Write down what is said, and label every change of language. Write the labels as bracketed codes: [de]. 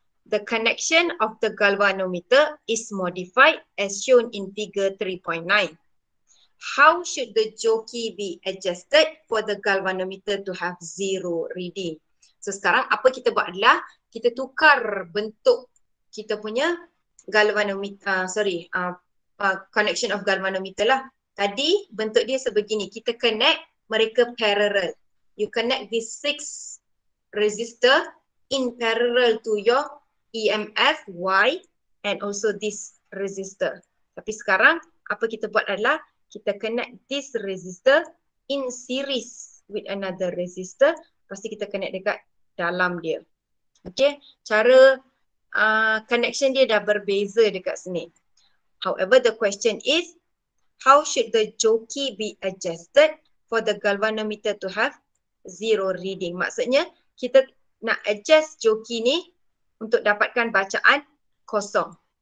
[en] The connection of the galvanometer is modified as shown in figure 3.9. How should the jockey be adjusted for the galvanometer to have zero reading? [ms] So sekarang apa kita buat adalah kita tukar bentuk kita punya galvanometer, [en] connection of galvanometer [ms] lah. Tadi bentuk dia sebegini. Kita connect mereka parallel. [en] You connect this 6 resistor in parallel to your EMF Y and also this resistor. [ms] Tapi sekarang apa kita buat adalah kita [en] connect this resistor in series with another resistor. [ms] Pasti kita connect dekat dalam dia. Okay, cara connection dia dah berbeza dekat sini. [en] However, the question is how should the jockey be adjusted for the galvanometer to have zero reading. [ms] Maksudnya kita nak adjust joki ni untuk dapatkan bacaan kosong.